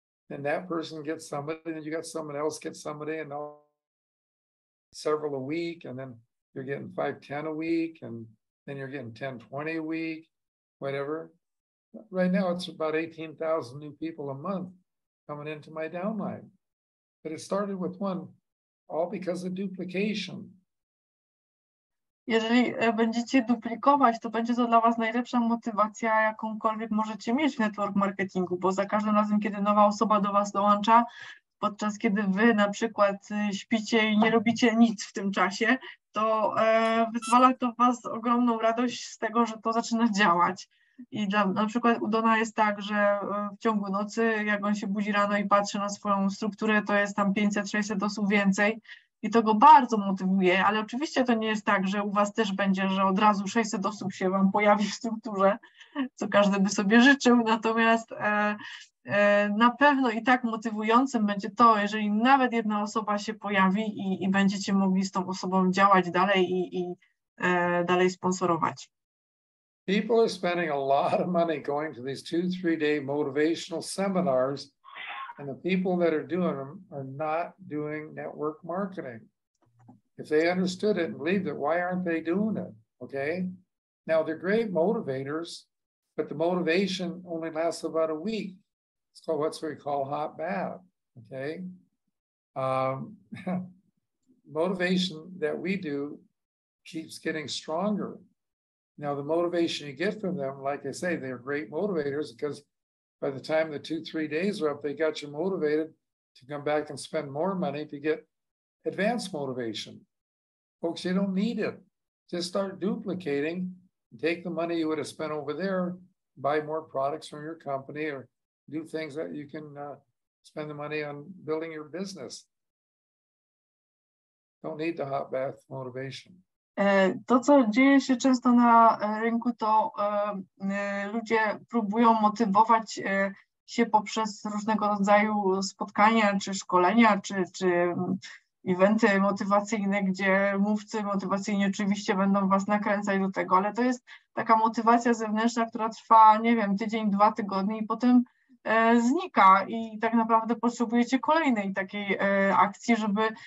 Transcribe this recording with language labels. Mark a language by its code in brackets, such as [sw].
[en] And that person gets somebody, and you got someone else gets somebody, and several a week, and then you're getting 5-10 a week, and then you're getting 10-20 a week, whatever. Right now it's about 18,000 new people a month coming into my downline. But it started with one, all because of duplication. [pl] Jeżeli będziecie duplikować, to będzie to dla was najlepsza motywacja, jakąkolwiek możecie mieć w network marketingu, bo za każdym razem, kiedy nowa osoba do was dołącza, podczas kiedy wy na przykład śpicie i nie robicie nic w tym czasie, to wyzwala to w was ogromną radość z tego, że to zaczyna działać. I na przykład u Dona jest tak, że w ciągu nocy, jak on się budzi rano i patrzy na swoją strukturę, to jest tam 500-600 osób więcej. I to go bardzo motywuje, ale oczywiście to nie jest tak, że u was też będzie, że od razu 600 osób się wam pojawi w strukturze, co każdy by sobie życzył, natomiast na pewno i tak motywującym będzie to, jeżeli nawet jedna osoba się pojawi i będziecie mogli z tą osobą działać dalej i dalej sponsorować. [en] People are spending a lot of money going to these 2-3 day motivational seminars. And the people that are doing them are not doing network marketing. If they understood it and believed it, why aren't they doing it? Okay. Now they're great motivators, but the motivation only lasts about a week. It's called what we call hot bath. Okay. motivation that we do keeps getting stronger. Now the motivation you get from them, like I say, they're great motivators because by the time the 2-3 days are up, they got you motivated to come back and spend more money to get advanced motivation. Folks, you don't need it. Just start duplicating. Take the money you would have spent over there, buy more products from your company, or do things that you can spend the money on building your business. Don't need the hot bath motivation. [pl] To, co dzieje się często na rynku, to ludzie próbują motywować się poprzez różnego rodzaju spotkania, czy szkolenia, czy eventy motywacyjne, gdzie mówcy motywacyjni oczywiście będą was nakręcać do tego, ale to jest taka motywacja zewnętrzna, która trwa, nie wiem, tydzień, dwa tygodnie i potem znika i tak naprawdę potrzebujecie kolejnej takiej akcji, żeby